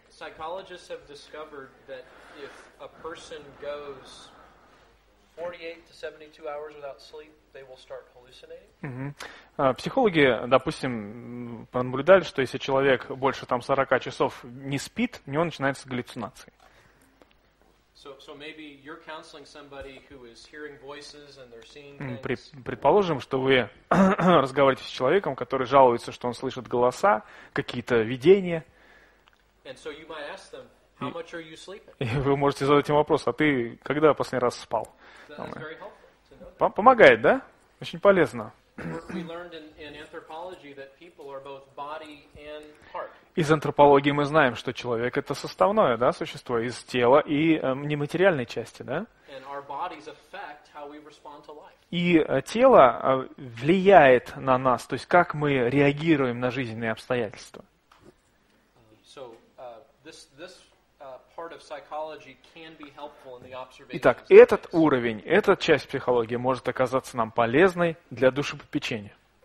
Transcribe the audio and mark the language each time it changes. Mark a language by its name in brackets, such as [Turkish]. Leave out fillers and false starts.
[English] Psychologists have discovered that if a person goes 48 to 72 hours without sleep, they will start hallucinating. Mm-hmm. [Russian] Психологи, допустим, понаблюдали, что если человек больше там 40 часов не спит, у него начинаются галлюцинации. [English] So maybe you're counseling somebody who is hearing voices and they're seeing things. [Russian] Предположим, что вы разговариваете с человеком, который жалуется, что он слышит голоса, какие-то видения. [English] And so you might ask them, how much are you sleeping? [Russian] И вы можете задать им вопрос, а ты когда последний раз спал? [English] That's very helpful to know that. [Russian] Помогает, да? Очень полезно. [English] We learned in anthropology that people are both body and heart. [Russian] Из антропологии мы знаем, что человек это составное, да, существо из тела и нематериальной части, да? [English] And our bodies affect how we respond to life. [Russian] И тело влияет на нас, то есть как мы реагируем на жизненные обстоятельства. [English] So this part of psychology can be helpful in the observation. [Russian] Итак, этот уровень, эта часть психологии может оказаться нам полезной для душепопечения.